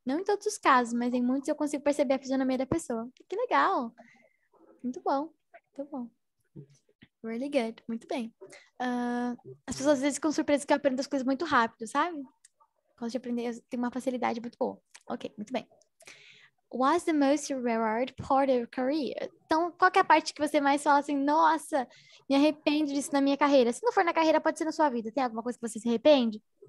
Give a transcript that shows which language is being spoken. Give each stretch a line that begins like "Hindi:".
Portuguese: Não em todos os casos, mas em muitos eu consigo perceber a fisionomia da pessoa. Que legal! Muito bom, muito bom.
English: Really good,
Portuguese: muito bem. As pessoas às vezes ficam surpresas que eu aprendo as coisas muito rápido, sabe? Quando eu aprendi, eu tenho uma facilidade muito boa. Ok, muito bem.
English: What's the most reward part of your career?
Portuguese: Então, qual que é a parte que você mais fala assim, nossa, me arrependo disso na minha carreira? Se não for na carreira, pode ser na sua vida. Tem alguma coisa que você se arrepende?